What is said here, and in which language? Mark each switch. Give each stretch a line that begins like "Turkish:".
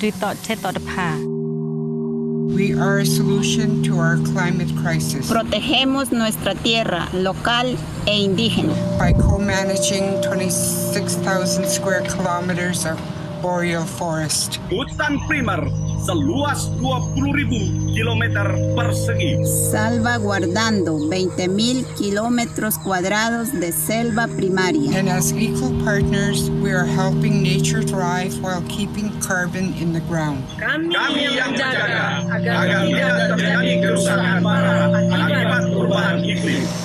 English: We are a solution to our climate crisis.
Spanish: Protegemos nuestra tierra local e indígena.
English: By co-managing 26,000 square kilometers of boreal forest.
Indonesian: Hutan primer seluas 20,000 kilometer persegi.
Spanish: Salvaguardando 20,000 kilómetros cuadrados de selva primaria.
English: And as equal partners, we are helping nature thrive while keeping carbon in the ground.
Indonesian: Kami yang menjaga agar tidak terjadi kerusakan para akibat perubahan iklim.